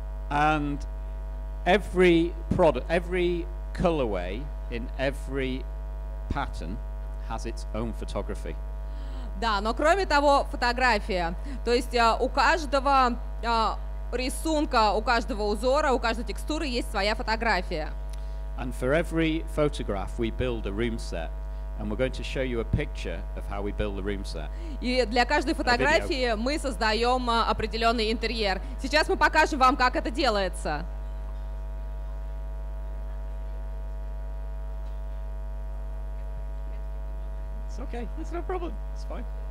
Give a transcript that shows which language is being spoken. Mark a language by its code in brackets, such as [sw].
[en] And every product, every colorway in every pattern has its own photography. [ru] Да, но кроме того, фотография. То есть у каждого рисунка, у каждого узора, у каждой текстуры есть своя фотография. [en] And for every photograph, we build a room set. And we're going to show you a picture of how we build the room set. [ru] И для каждой фотографии мы создаем определенный интерьер. Сейчас мы покажем вам, как это делается. [en] It's okay. It's no problem. It's fine.